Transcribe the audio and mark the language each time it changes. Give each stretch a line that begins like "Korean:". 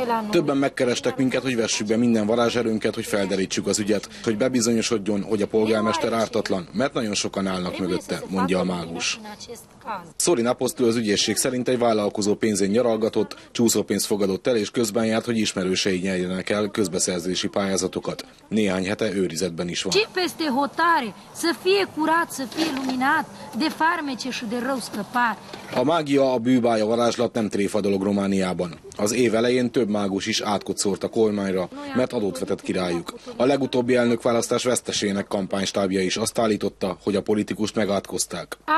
Hungarian: Többen megkerestek minket, hogy vessük be minden varázserőnket, hogy felderítsük az ügyet, hogy bebizonyosodjon, hogy a polgármester ártatlan, mert nagyon sokan állnak mögötte, mondja a mágus. Szorin Apostol az ügyészség szerint egy vállalkozó pénzén nyaralgatott, csúszópénzt fogadott el, és közben járt, hogy ismerősei nyerjenek el közbeszerzési pályázatokat. Néhány hete őrizetben is van.
Romanian: Cipeste hotare, să fie curat, să fie luminat, de farmece și de rău scăpat.
Hungarian: A mágia, a bűbája, a varázslat nem tréfa dolog Romániában. Az év elején több mágus is átkot szórt a kormányra, mert adót vetett királyuk. A legutóbbi elnökválasztás vesztesének kampánystábja is azt állította, hogy a politikust megátkozták.